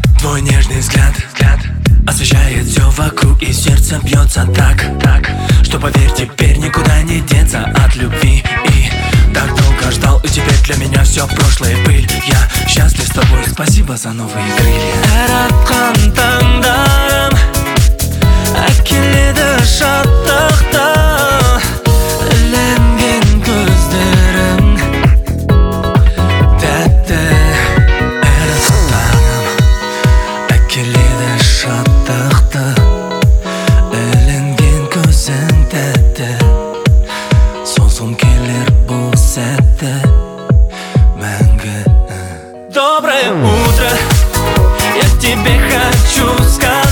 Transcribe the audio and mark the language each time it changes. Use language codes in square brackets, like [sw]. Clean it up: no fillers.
[ru] Твой нежный взгляд освещает все вокруг, и сердце бьется так, так, что поверь, теперь никуда не деться от любви. И так долго ждал, и теперь для меня все прошлое пыль. Я счастлив с тобой, спасибо за новые крылья. [kk] Әр атқан таңдарым әкеледі шаттықты, үлінген көздерің тәтті. Әр атқан таңым әкеледі шаттықты, үлінген көзің тәтті, созым келер бұл сәтті мәңгі. [ru] Доброе утро, я тебе хочу сказать.